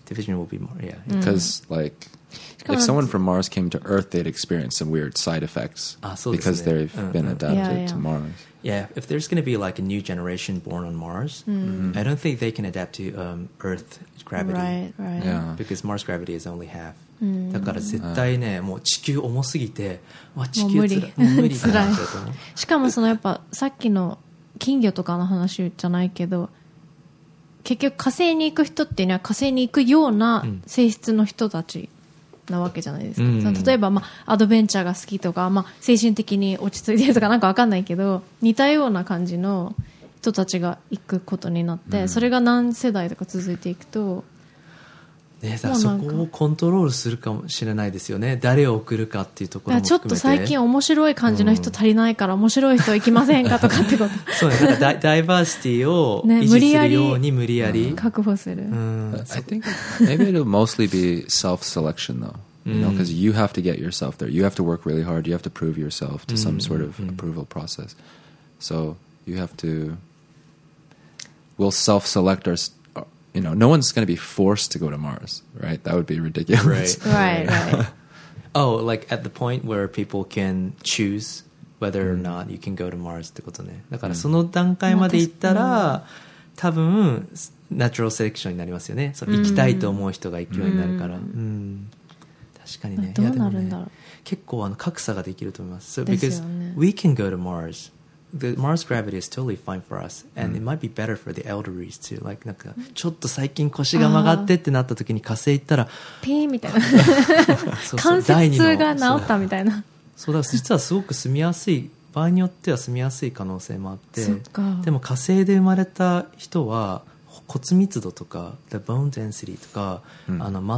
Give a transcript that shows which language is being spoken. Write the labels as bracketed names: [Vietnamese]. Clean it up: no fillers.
[English] Division will be more, yeah. Because、like if someone from Mars came to Earth, they'd experience some weird side effects、because they've been adapted、to Mars. Yeah, if there's going to be like a new generation born on Mars, I don't think they can adapt to Earth's gravity. Right, right. Yeah. Because Mars gravity is only half. [Japanese] だから絶対ね、もう地球重すぎて、わ、地球つらい。もう無理。しかもそのやっぱさっきの金魚とかの話じゃないけど、結局火星に行く人っていうのは火星に行くような性質の人たち。なわけじゃないですか、例えば、まあ、アドベンチャーが好きとか、まあ、精神的に落ち着いてるとかなんか分かんないけど、似たような感じの人たちが行くことになって、それが何世代とか続いていくと、ね、だからそこをコントロールするかもしれないですよね、誰を送るかっていうところも含めて、ちょっと最近面白い感じの人足りないから、面白い人行きませんかとかってことそう、ね、なんか ダイバーシティを維持するように、無理やり確保する、 [English] I think maybe it'll mostly be self-selection though, you know, because you have to get yourself there, you have to work really hard, you have to prove yourself to some sort of approval process, so you have to we'll self-select ourYou know, no one's going to be forced to go to Mars, right? That would be ridiculous. Right, right, right. Oh, like at the point where people can choose whether or not you can go to Mars [Japanese] ってことね。だからその段階まで行ったら、多分、ナチュラルセレクションになりますよね。そう、行きたいと思う人が行くようになるから。確かにね。どうなるんだろう。いやでもね、結構あの格差ができると思います。 [English] So, because [Japanese] ですよね。 [English] We can go to Mars. The Mars gravity is totally fine for us, and it might be better for the elderly too. [Japanese] Like, なんかちょっと最近腰が曲がってってなった時に火星行ったら、ピーみたいな、そうそう関節痛が治ったみたいな。そうだ、実はすごく住みやすい、場合によっては住みやすい可能性もあって、でも火星で生まれた人は骨密度とか、 [English] the bone density [Japanese] とか、あのマッ